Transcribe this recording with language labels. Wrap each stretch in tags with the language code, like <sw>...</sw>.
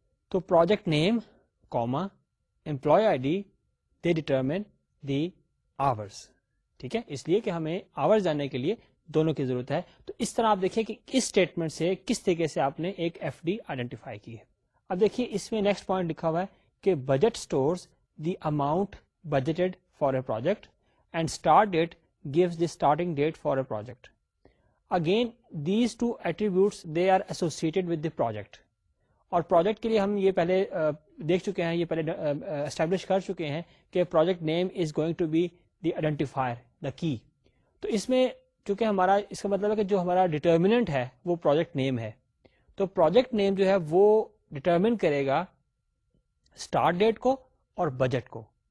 <en>تو project name comma employee I D they determine the hours.</en> <ur>ٹھیک ہے, اس لیے کہ ہمیں آورز جاننے کے لیے دونوں کی ضرورت ہے. تو اس طرح آپ دیکھیں کہ اس اسٹیٹمنٹ سے کس طریقے سے آپ نے ایک ایف ڈی آئیڈینٹیفائی کی ہے. اب دیکھیے اس میں نیکسٹ پوائنٹ لکھا ہوا ہے کہ</ur> <en>Budget stores the amount budgeted for a project and start date gives the starting date for a project. Again these two attributes they are associated with the project.</en> <ur>اور پروجیکٹ کے لیے ہم یہ پہلے دیکھ چکے ہیں, یہ پہلے اسٹیبلش کر چکے ہیں کہ project name</ur> <en>Is going to be the identifier, the key.</en> <ur>تو اس میں چونکہ ہمارا, اس کا مطلب ہے کہ جو ہمارا ڈیٹرمیننٹ ہے وہ پروجیکٹ نیم ہے, تو پروجیکٹ نیم جو ہے وہ ڈیٹرمن کرے گا اسٹارٹ ڈیٹ کو اور بجٹ کو.</ur>